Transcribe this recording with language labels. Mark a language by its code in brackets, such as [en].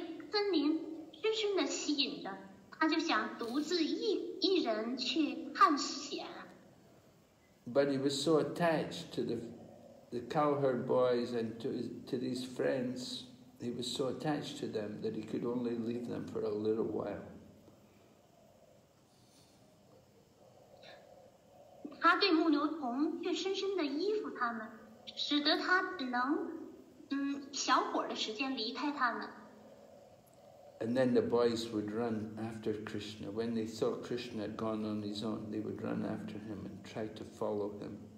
[zh] 深深地吸引着，他就想独自一人去探险。 [en] But he was so attached to the cowherd boys and to these friends, he was so attached to them that he could only leave them for a little while. [zh] 他对牧牛童却深深地依附他们，使得他只能小会儿的时间离开他们。 [en] And then the boys would run after Krishna. When they saw Krishna had gone on his own, they would run after him and try to follow him.